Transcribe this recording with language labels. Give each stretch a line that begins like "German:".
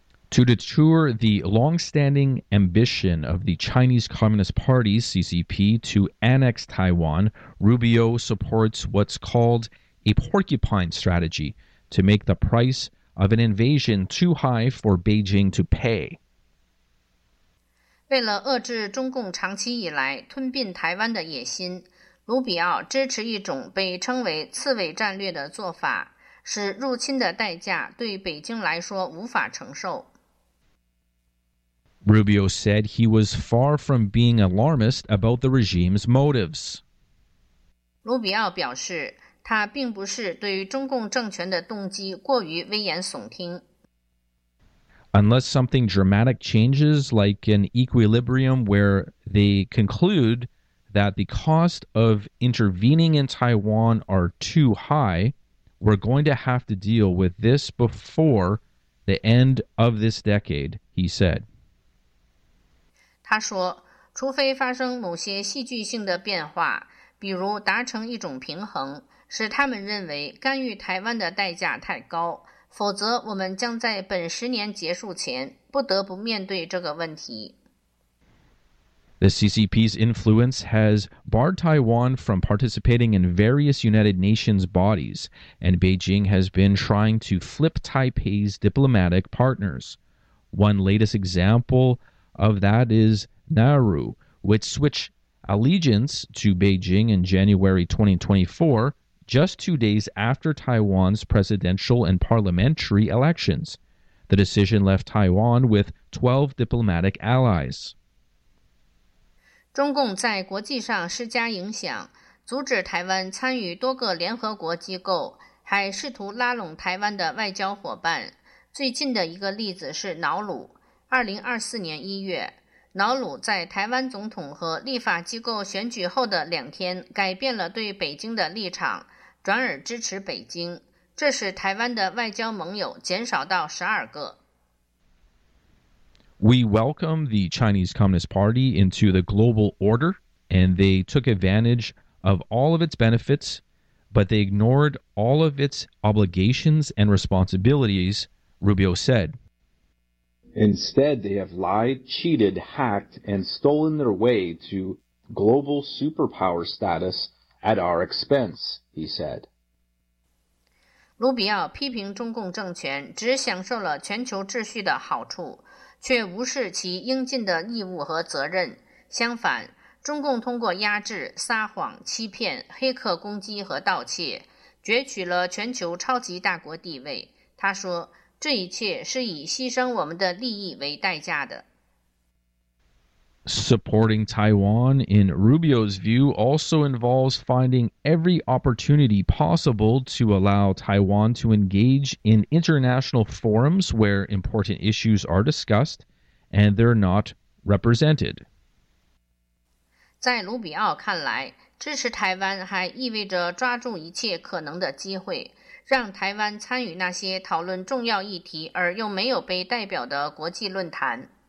English: To deter the long-standing ambition of the Chinese Communist Party, CCP, to annex Taiwan, Rubio supports what's called a porcupine strategy to make the price of an invasion too high for Beijing to pay.
Chinese: 为了遏制中共长期以来吞并台湾的野心，卢比奥支持一种被称为刺猬战略的做法，使入侵的代价对北京来说无法承受。
English: Rubio said he was far from being alarmist about the regime's motives.
Chinese: 卢比奥表示，他并不是对于中共政权的动机过于危言耸听。
English: Unless something dramatic changes, like an equilibrium where they conclude that the cost of intervening in Taiwan are too high, we're going to have to deal with this before the end of this decade, he said.
Chinese: 他说，除非发生某些戏剧性的变化，比如达成一种平衡，使他们认为干预台湾的代价太高，否则我们将在本十年结束前不得不面对这个问题。
English: The CCP's influence has barred Taiwan from participating in various United Nations bodies, and Beijing has been trying to flip Taipei's diplomatic partners. One latest example of that is Nauru, which switched allegiance to Beijing in January 2024, just 2 days after Taiwan's presidential and parliamentary elections. The decision left Taiwan with 12 diplomatic allies.
Chinese: 中共在国际上施加影响，阻止台湾参与多个联合国机构，还试图拉拢台湾的外交伙伴。最近的一个例子是瑙鲁。2024年1月，瑙鲁在台湾总统和立法机构选举后的两天改变了对北京的立场，转而支持北京，这使台湾的外交盟友减少到12个。
English: We welcome the Chinese Communist Party into the global order, and they took advantage of all of its benefits, but they ignored all of its obligations and responsibilities, Rubio said. Instead, they have lied, cheated, hacked, and stolen their way to global superpower status at our expense, he said.
Chinese: 卢比奥批评中共政权只享受了全球秩序的好处，却无视其应尽的义务和责任。相反，中共通过压制、撒谎、欺骗、黑客攻击和盗窃，攫取了全球超级大国地位。他说，这一切是以牺牲我们的利益为代价的。
English: Supporting Taiwan, in Rubio's view, also involves finding every opportunity possible to allow Taiwan to engage in international forums where important issues are discussed and they're not represented.
Chinese: 在卢比奥看来，支持台湾还意味着抓住一切可能的机会，让台湾参与那些讨论重要议题而又没有被代表的国际论坛。